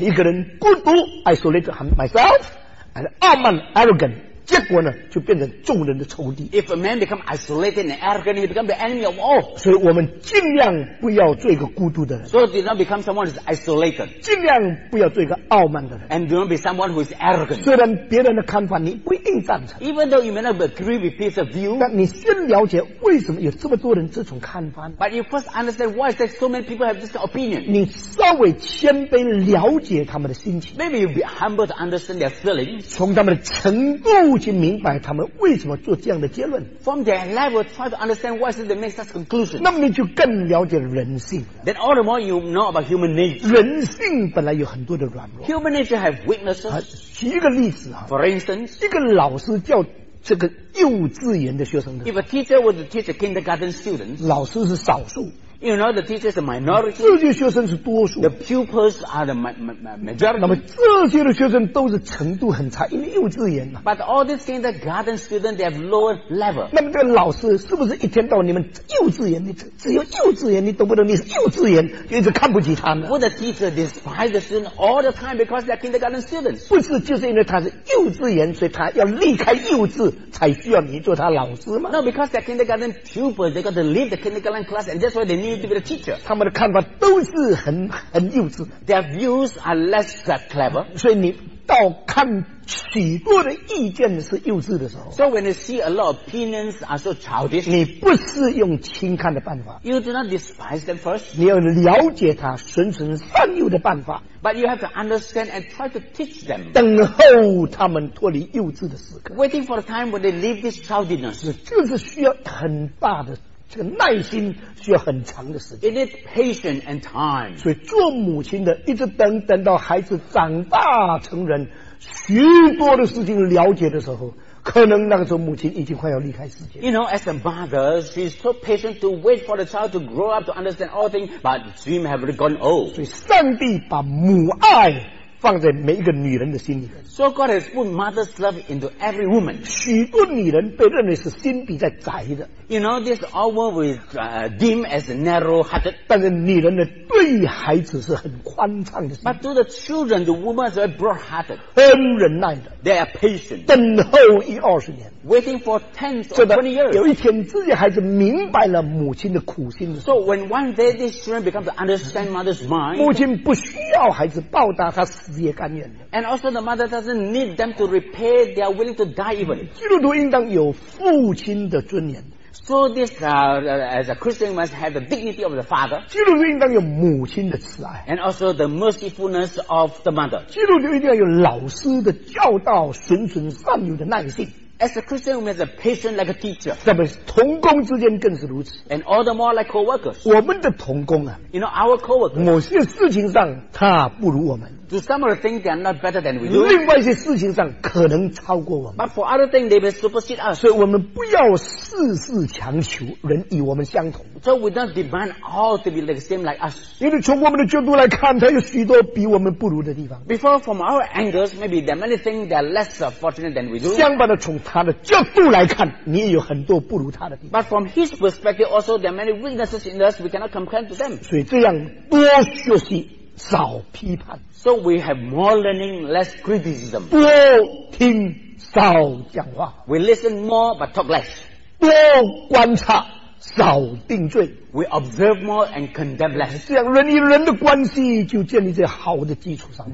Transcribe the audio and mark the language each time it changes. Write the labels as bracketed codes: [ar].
[zh] 一个人孤独 [en] isolate myself and [zh] 傲慢 arrogant结果呢，就变成众人的仇敌。 [en] If a man become isolated and arrogant, he become the enemy of all. [zh] 所以我们尽量不要做一个孤独的人。 [en] So do not become someone who is isolated. [zh] 尽量不要做一个傲慢的人。 [en] And do not be someone who is arrogant. [zh] 虽然别人的看法你不一定赞成。 [en] Even though you may not agree with his view. [zh] 但你先了解为什么有这么多人这种看法。 [en] But you first understand why is that so many people have this opinion. [zh] 你稍微谦卑了解他们的心情。 [en] Maybe you be humble to understand their feeling. [zh] 从他们的程度。去明白他们为什么做这样的结论 [en] From their level try to understand why they make such conclusion [zh] 那你就更了解人性 [en] Then all the more you know about human nature [zh] 人性本来有很多的软弱 [en] Human nature have weaknesses [zh] 举一个例子、啊、 [en] For instance [zh] 一个老师叫这个幼稚园的学生的 [en] If a teacher was to teach a kindergarten student [zh] 老师是少数 [en] You know, the teacher is a minority. [zh] 这些学生是多数。 [en] The pupils are the majority. [zh] 那么这些的学生都是程度很差，因为幼稚园嘛。 [en] But all these kindergarten students, they have lower level. [zh] 那么这个老师是不是一天到晚你们幼稚园，你只有幼稚园，你懂不懂？你是幼稚园，就一直看不起他们。 [en] Would the teacher despise the student all the time because they're kindergarten students? [zh] 不是，就是因为他是幼稚园，所以他要离开幼稚，才需要你做他老师嘛。 [en] No, because they're kindergarten pupils, they got to leave the kindergarten class, and that's why they need to be the teacher. [zh] 他们的看法都是很幼稚 [en] Their views are less that clever. [zh] 所以你到看许多的意见是幼稚的时候 [en] So when you see a lot of opinions are so childish, [zh] 你不是用轻看的办法 [en] You do not despise them first. [zh] 你要了解他循循善诱的办法 [en] But you have to understand and try to teach them. [zh] 等候他们脱离幼稚的时刻 [en] Waiting for the time when they leave this childishness. [zh] 这是需要很大的这个耐心需要很长的时间。 [en] It is patience and time. [zh] 所以做母亲的一直等到孩子长大成人，许多的事情了解的时候，可能那个时候母亲已经快要离开世界。 [en] You know, as a mother, she's so patient to wait for the child to grow up to understand all things, but she may have already gone old. [zh] 所以上帝把母爱放在每一个女人的心里。 [en] So God has put mother's love into every woman. [zh] 许多女人被认为是心比较窄的。 [en] You know, this all world was deemed as narrow-hearted. [zh] 但是女人的对孩子是很宽敞的心。 [en] But to the children, the woman is very broad-hearted. [zh] 很忍耐的。 [en] They are patient. [zh] 等候一二十年。 [en] Waiting for 10 or 20 years. [zh] 有一天自己孩子明白了母亲的苦心的。 [en] So when one day these children become to understand mother's mind, [zh] 母亲不需要孩子报答她死也甘愿的。 [en] And also the mother doesn't need them to repay, they are willing to die even. [zh] 基督徒应当有父亲的尊严。 [en] So this, as a Christian must have the dignity of the father. [zh] 基督徒应当有母亲的慈爱。 [en] And also the mercifulness of the mother. [zh] 基督徒一定要有老师的教导，谆谆善诱的耐心。 [en] As a Christian, we have a patient like a teacher. [zh] 特别是同工之间更是如此。 [en] And all the more like co-workers. [zh] 我们的同工啊， [en] you know, our co-workers. [zh] 某些事情上他不如我们。 [en] To some of the things they are not better than we do. [zh] 另外一些事情上可能超过我们。 [en] But for other things, they may supersede us. [zh] 所以我们不要事事强求人与我们相同。 [en] So we don't demand all to be like same like us. [zh] 因为从我们的角度来看，他有许多比我们不如的地方。 [en] Before from our angles, maybe there are many things that are less fortunate than we do. [zh] 相反的，从他的角度来看，你也有很多不如他的地方。 [en] But from his perspective, also there are many weaknesses in us. We cannot complain to them. [zh] 所以这样多学习。少批判 [en] So we have more learning, less criticism. [zh] 多听少讲话 [en] We listen more, but talk less. [zh] 多观察少定罪 [en] We observe more and condemn less. [zh] 这样人与人的关系就建立在好的基础上